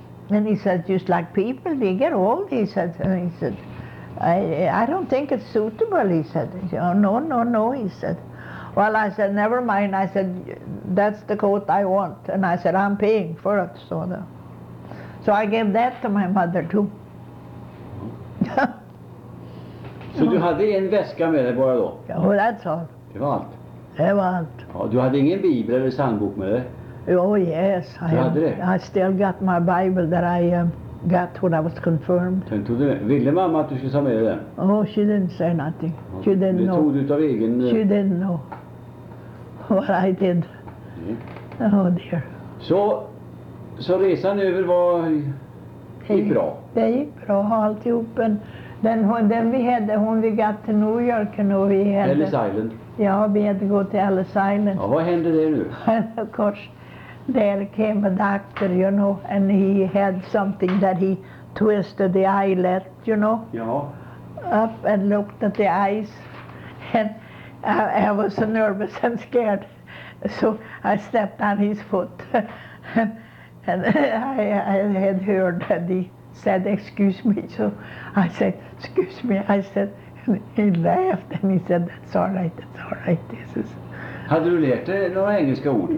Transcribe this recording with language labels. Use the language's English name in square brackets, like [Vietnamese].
[English] And he said, just like people, they get old, he said. And he said, I don't think it's suitable, he said. Oh, no, no, no, he said. Well, I said, never mind, I said, that's the coat I want. And I said, I'm paying for it, so the. So I gave that to my mother, too. [Swedish] Så du hade en väska med dig bara då? [English] Ja, that's all. [Swedish] Det var allt? Det var allt. Ja, du hade ingen bibel eller sandbok med dig? [English] Oh yes, I still got my Bible that I got when I was confirmed. [Swedish] Ville mamma att du skulle ta med den? [English] Oh, she didn't say nothing. She didn't know. [Swedish] Du tog ut av egen. [English] She didn't know what I did. Mm. Oh dear. [Swedish] Så resan över var gick bra? Det gick bra, alltihop. [English] Then we had when we got to New York, and you know, we had Ellis Island. Yeah, we had to go to Ellis Island. [Swedish] Ja, vad hände där nu? [English] And of course, there came a doctor, you know, and he had something that he twisted the eyelet, you know, up and looked at the eyes, and I was so nervous and scared, so I stepped on his foot, and I had heard that he said, excuse me, so I said, excuse me, I said, and he laughed, and he said, that's all right, this is. [Swedish] Hade du lärt dig några engelska ord?